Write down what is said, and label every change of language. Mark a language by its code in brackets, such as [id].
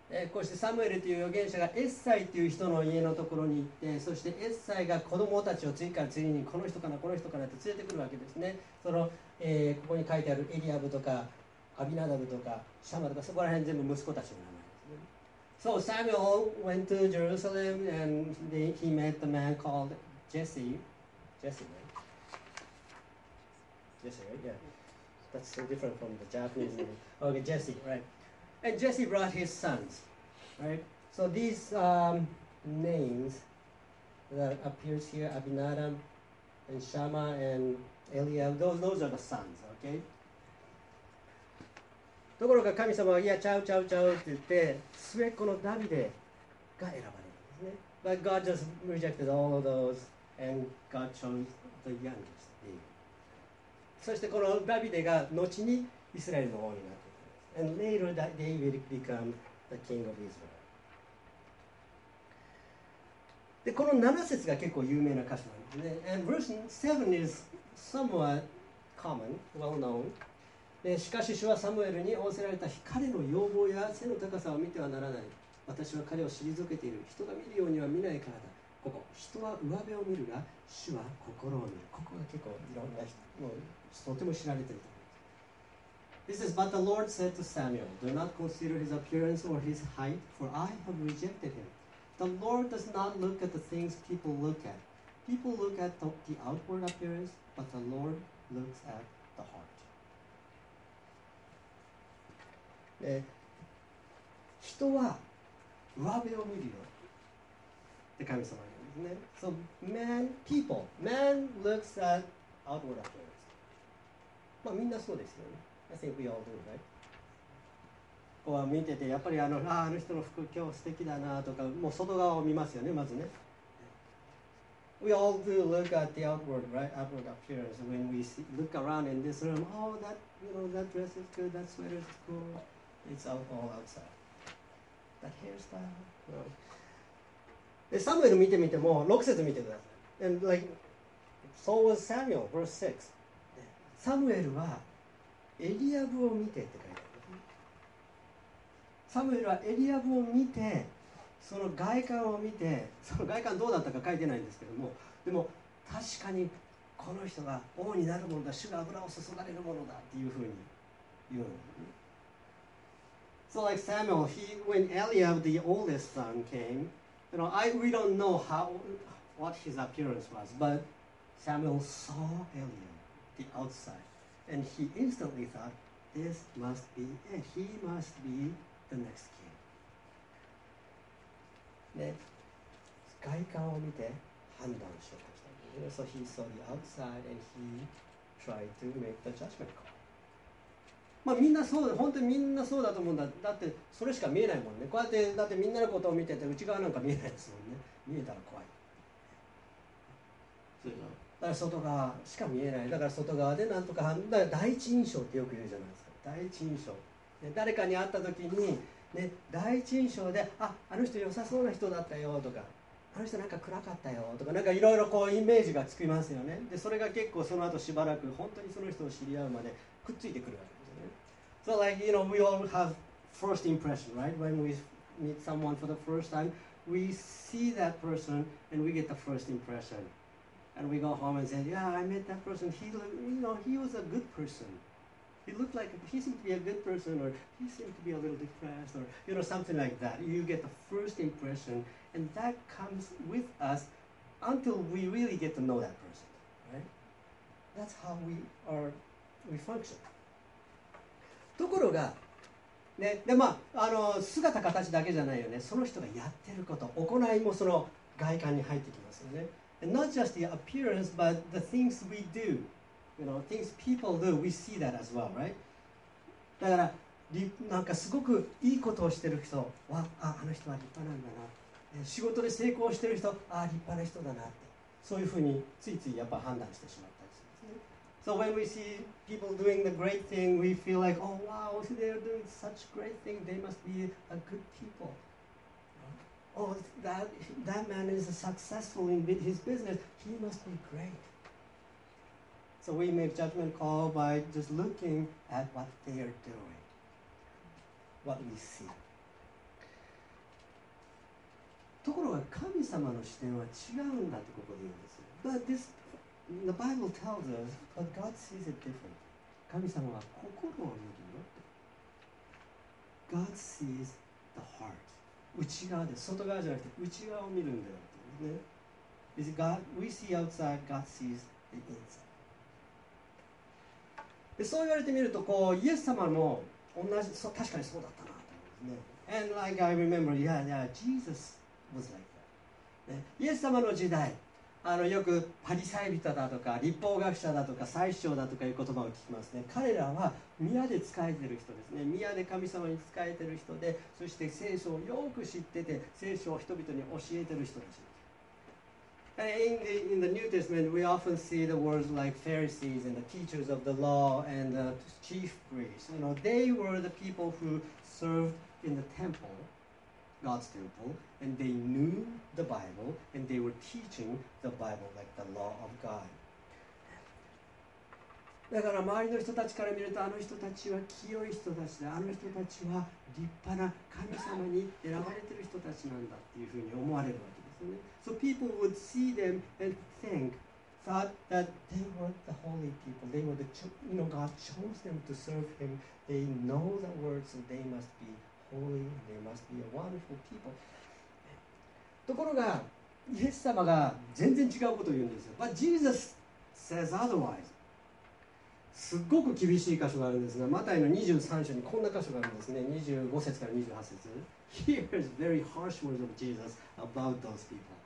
[ja] こうしてサムエルという預言者がエッサイという人の家のところに行って、そしてエッサイが子供たちを次から次にこの人かなこの人かなって連れてくるわけですね。その、ここに書いてあるエリアブとかアビナダブとかシャマとか、そこら辺全部息子たちの名前ですね。 [en] So Samuel went to Jerusalem and then he met the man called Jesse. Jesse, right? Jesse, right? Yeah. That's so different from the Japanese name. Okay, Jesse, right? And Jesse brought his sons, right? So these names that appears here, Abinadab and Shammah and Eliab, those are the sons, okay? [ja] ところが神様は、いや、ちゃうちゃうちゃうって言って、末っ子のダビデが選ばれるんですね。 [en] But God just rejected all of those, and God chose the youngest name. [ja] そしてこのダビデが後にイスラエルの王になる。 [en] And later that they will become the king of Israel. [ja] で、この7節が結構有名な箇所なんですね。 [en] And verse 7 is somewhat common, well known. [ja] で、しかし主はサムエルに仰せられた。彼の容貌や背の高さを見てはならない。私は彼を退けている。人が見るようには見ないからだ。ここ、人は上辺を見るが、主は心を見る。ここが結構いろんな人、もうとても知られていると。 [en] This is, but the Lord said to Samuel, Do not consider his appearance or his height, for I have rejected him. The Lord does not look at the things people look at. People look at the outward appearance, but the Lord looks at the heart. [ja] 人は上辺を見るよって神様言うんですね。 [en] So man, people, man looks at outward appearance. [ja] まあみんなそうですよね。 [en] I think we all do, right? [ja] こう見ててやっぱりあの人の服今日素敵だなとか、もう外側を見ますよね、まずね。 [en] We all do look at the outward, right? Outward appearance when we see, look around in this room. Oh, that, you know, that dress is good, that sweater is cool. It's all outside. That hairstyle. [ja] サムエル見てみても、6節見てください。 [en] And like, so was Samuel, verse 6. [ja] サムエルはエリアブを見てって書いてある。サムエルはエリアブを見て、その外観を見て、その外観どうだったか書いてないんですけども、でも確かにこの人が王になるものだ、主が油を注がれるものだっていうふうに言うの。 [en] So like Samuel, when Eliab, the oldest son, came, you know, we don't know what his appearance was, but Samuel saw Eliab, the outside, and he instantly thought, this must be it, he must be the next king. [ja] ね、外観を見て判断しようとした。 [en] So he saw the outside and he tried to make the judgment call. [ja] まあ、みんなそう、本当にみんなそうだと思うんだ。だってそれしか見えないもんね。こうやってだってみんなのことを見てて内側なんか見えないですもんね。見えたら怖い。だから外側しか見えない。だから外側でなんとか、だから第一印象ってよく言うじゃないですか。第一印象。で誰かに会った時に、ね、第一印象で、あの人良さそうな人だったよとか、あの人なんか暗かったよとか、なんかいろいろこうイメージがつきますよね。でそれが結構その後しばらく本当にその人を知り合うまでくっついてくるわけ。 [en] So like, you know, we all have first impression, right? When we meet someone for the first time, we see that person and we get the first impression. And we go home and say, yeah, I met that person. He, you know, he was a good person. He seemed to be a good person, or he seemed to be a little depressed, or, you know, something like that. You get the first impression, and that comes with us until we really get to know that person, right? That's how we function. [ja] ところが、ねでまあ、姿形だけじゃないよね。その人がやってること、行いもその外観に入ってきますよね。 [en] And、not just the appearance, but the things we do. You know, things people do, we see that as well, right? [ja] だから、なんかすごくいいことをしてる人は、あの人は立派なんだな。仕事で成功してる人、立派な人だなって。そういうふうについついやっぱ判断してしまう。 [en] So when we see people doing the great thing, we feel like, oh wow, they are doing such great thing. They must be a good people. Oh, that man is successful in his business. He must be great. So we make judgment call by just looking at what they are doing, what we see. [ja] ところが神様の視点は違うんだってここで言うんですよ。 [en] But this. The Bible tells us, but God sees it differently. [ja] 神様は心を見るよって。 [en] God sees the heart. [ja] 内側で、外側じゃなくて内側を見るんだよって、ね。 [en] Is it God? We see outside, God sees the inside. [ja] で、そう言われてみると、こう、イエス様も同じ、そう、確かにそうだったなって思うんですね。 [en] And like I remember, yeah, Jesus was like that.、 [ja] ね、イエス様の時代。よくパリサイ人だとか立法学者だとか祭司長だとかいう言葉を聞きますね。彼らは宮で仕えてる人ですね。宮で神様に仕えてる人で、そして聖書をよく知ってて聖書を人々に教えてる人たち。 [en] In the New Testament we often see the words like Pharisees and the teachers of the law and the chief priests. You know, they were the people who served in the temple. God's temple, and they knew the Bible, and they were teaching the Bible like the law of God. [ja] だから周りの人たちから見ると、あの人たちは清い人たちで、あの人たちは立派な神様に選ばれてる人たちなんだっていうふうに思われるわけですよね。 [en] So people would see them and thought that they were the holy people. They were God chose them to serve Him. They know the word, so they must be. Holy, they must be a wonderful people. [ja] ところがイエス様が全然違うことを言うんですよ。 [en] But Jesus says otherwise. [ja] すっごく厳しい箇所があるんですが、マタイの23章にこんな箇所があるんですね。 25節から28節。 [en] Here's very harsh words of Jesus about those people.